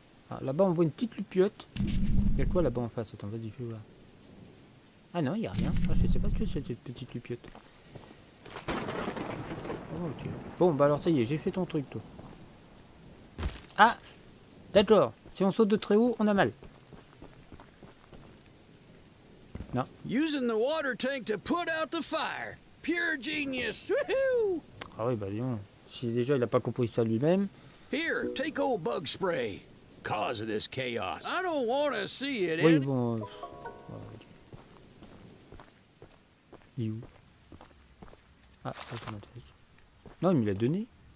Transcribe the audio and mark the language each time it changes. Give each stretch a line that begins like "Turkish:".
French: Ah, là-bas, on voit une petite lupiote. Il y a quoi là-bas en face? Attends, vas-y, fais voir. Ah non, il n'y a rien. Ah, je sais pas ce que c'est, cette petite lupiote. Oh, okay. Bon, bah alors ça y est, j'ai fait ton truc, toi. Ah! D'accord. Si on saute de très haut, on a mal. Non.
English: Using the water tank to put out the fire. Pure genius. Woohoo!
French: Ah oui, bah disons. Si déjà, il n'a pas compris ça lui-même.
English: Here, take old bug spray. Cause of this chaos. I don't want to see it.
French: Oui, bon. Il est où? Ah, ça m'intéresse. Non, il me l'a donné.